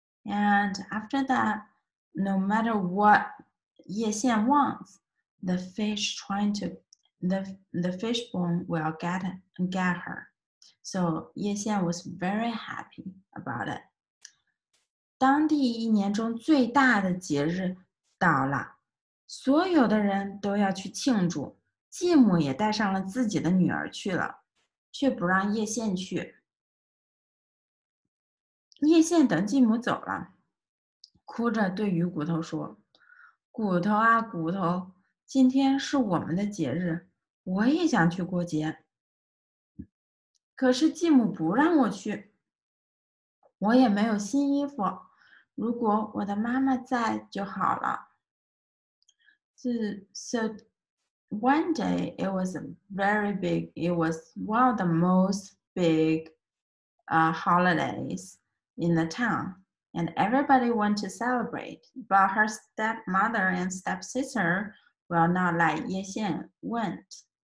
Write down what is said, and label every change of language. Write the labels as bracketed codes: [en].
[en] And after that, no matter what Ye Xian wants, the fish bone will get her. So Ye Xian was very happy about it. [zh] 当地一年中最大的节日到了。所有的人都要去庆祝，继母也带上了自己的女儿去了，却不让叶线去。叶线等继母走了，哭着对鱼骨头说，骨头啊骨头，今天是我们的节日，我也想去过节，可是继母不让我去，我也没有新衣服，如果我的妈妈在就好了。 [en] So one day it was a very big, it was one of the most big holidays in the town. And everybody went to celebrate, but her stepmother and stepsister will not let Ye Xian went.